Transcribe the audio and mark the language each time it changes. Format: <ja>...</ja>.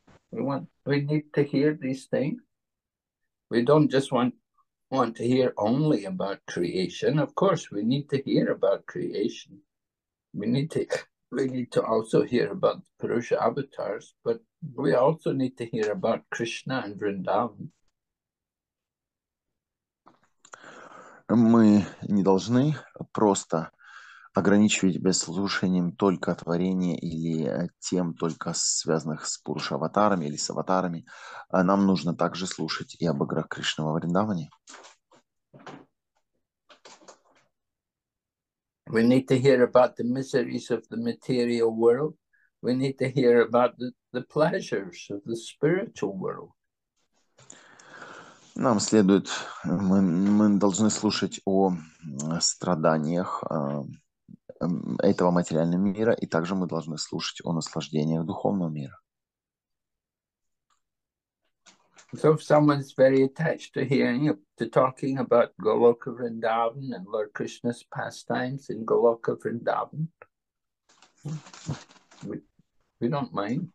<en>We need to hear these things. We don't just want to hear only about creation. Of course, we need to hear about creation. We need to also hear about the Purusha avatars, but we also need to hear about Krishna and Vrindavan.</en> <ru>Мы не должны просто ограничивать себя слушанием только творения или тем, только связанных с Пурушаватарами или с аватарами. Нам нужно также слушать и об играх Кришны во Вриндаване.</ru> <en>We need to hear about the miseries of the material world. We need to hear about the pleasures of the spiritual world.</en> <ru>Нам следует, мы должны слушать о страданиях этого материального мира, и также мы должны слушать о наслаждениях духовного мира.</ru> <en>So if someone is very attached to hearing, to talking about Goloka Vrindavan and Lord Krishna's pastimes in Goloka Vrindavan, we don't mind.</en>